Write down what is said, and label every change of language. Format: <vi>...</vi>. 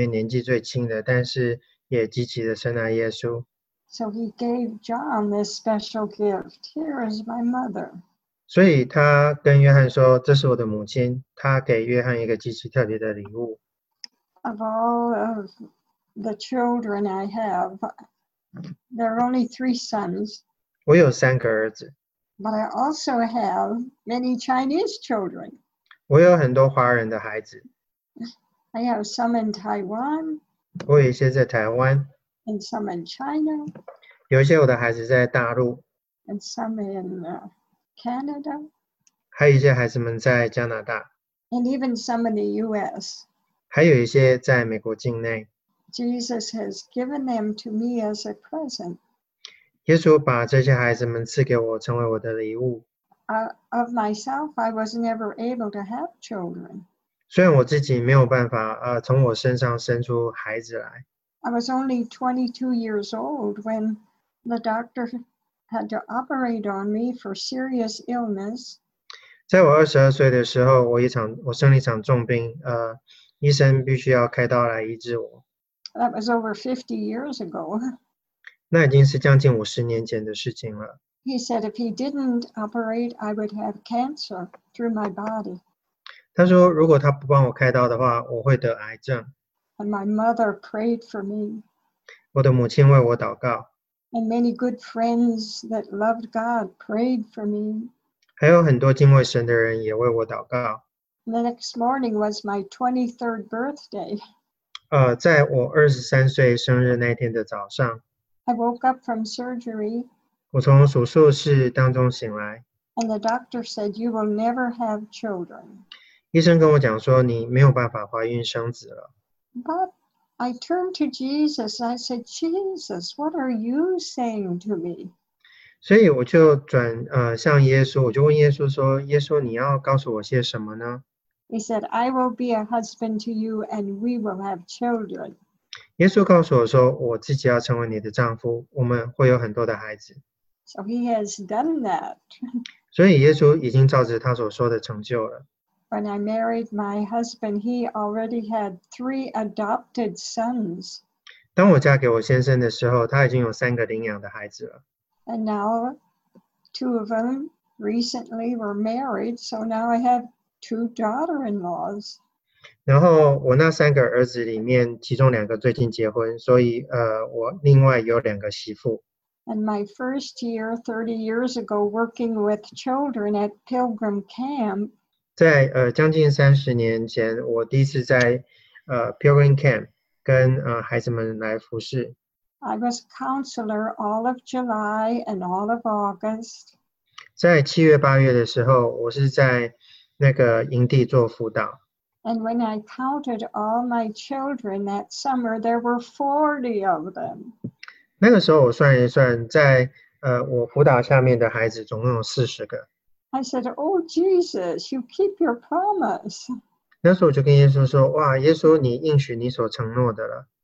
<zh>约翰是耶稣所有的门徒里面年纪最轻的，但是 也极其的深爱耶稣。</zh> <en>So he gave John this special gift. Here is my mother.</en> <zh>所以他跟约翰说, 这是我的母亲, 他给约翰一个极其特别的礼物。</zh> <en>Of all of the children I have, there are only three sons.</en> <zh>我有三个儿子。</zh> <en>But I also have many Chinese children.</en> <zh>我有很多华人的孩子。</zh> <en>I have some in Taiwan.</en> <zh>我有一些在台湾,</zh> <en>and some in China,</en> <zh>有一些我的孩子在大陆,</zh> <en>and some in Canada,</en> <zh>还有一些孩子们在加拿大,</zh> <en>and even some in the US,</en> <zh>还有一些在美国境内。</zh> <en>Jesus has given them to me as a present.</en> <zh>耶稣把这些孩子们赐给我成为我的礼物。</zh> <en>Of myself, I was never able to have children.</en> <zh>虽然我自己没有办法, 从我身上生出孩子来。</zh> <en>I was only 22 years old when the doctor had to operate on me for serious illness.</en> <zh>在我22岁的时候, 我生了一场重病, 医生必须要开刀来医治我。</zh> <en>That was over 50 years ago.</en> <zh>那已经是将近50年前的事情了。</zh> <en>He said if he didn't operate, I would have cancer through my body.</en> <zh>他说如果他不帮我开刀的话, 我会得癌症。</zh> <en>And my mother prayed for me.</en> <zh>我的母亲为我祷告。</zh> <en>And many good friends that loved God prayed for me.</en> <zh>还有很多敬畏神的人也为我祷告。</zh> <en>The next morning was my 23rd birthday.</en> <zh>在我23岁生日那天的早上,</zh> <en>I woke up from surgery.</en> <zh>我从手术室当中醒来。</zh> <en>And the doctor said, "You will never have children."</en> <zh>医生跟我讲说, 你没有办法怀孕生子了。</zh> <en>But I turned to Jesus. I said, "Jesus, what are you saying to me?"</en> <zh>所以我就转, 向耶稣, 我就问耶稣说, 耶稣, 你要告诉我些什么呢?</zh> <en>He said, "I will be a husband to you, and we will have children."</en> <zh>耶稣告诉我说, 我自己要成为你的丈夫, 我们会有很多的孩子。</zh> <en>So he has done that.</en> <zh>所以耶稣已经照着他所说的成就了。</zh> <en>When I married my husband, he already had three adopted sons.</en> <zh>当我嫁给我先生的时候, 他已经有三个领养的孩子了。</zh> <en>And now, two of them recently were married, so now I have two daughter-in-laws.</en> <zh>然后我那三个儿子里面, 其中两个最近结婚, 所以, 我另外有两个媳妇。</zh> <en>And my first year, 30 years ago, working with children at Pilgrim Camp,</en> <zh>在, 将近30年前, 我第一次在, Pilgrim Camp 跟, 孩子们来服侍。</zh> <en>I was counselor all of July and all of August.</en> <zh>在七月八月的时候，我是在那个营地做辅导。</zh> <en>And when I counted all my children that summer, there were 40 of them.</en> <zh>那个时候我算一算，在我辅导下面的孩子总共有40个。</zh> <en>I said, "Oh Jesus, you keep your promise."</en> <zh>那时候我就跟耶稣说，哇，耶稣，你应许你所承诺的了。</zh>